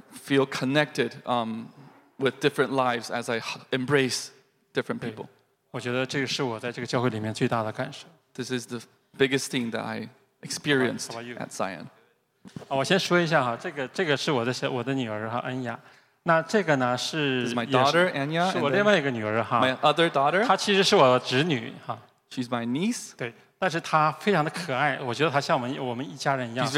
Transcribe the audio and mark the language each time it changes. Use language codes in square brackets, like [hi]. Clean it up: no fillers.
[en] feel connected with different lives as I embrace different people. [zh] 我觉得这个是我在这个教会里面最大的感受。 [en] This is the biggest thing that I experienced at Zion. [zh] 我先说一下哈，这个是我的女儿哈，恩雅。那这个呢是。 [en] This is my daughter, Anya. [zh] 是我另外一个女儿哈。 [en] My other daughter. [zh] 她其实是我侄女哈。 [en] She's my niece. [zh] 对，但是她非常的可爱，我觉得她像我们一家人一样。 [en] She's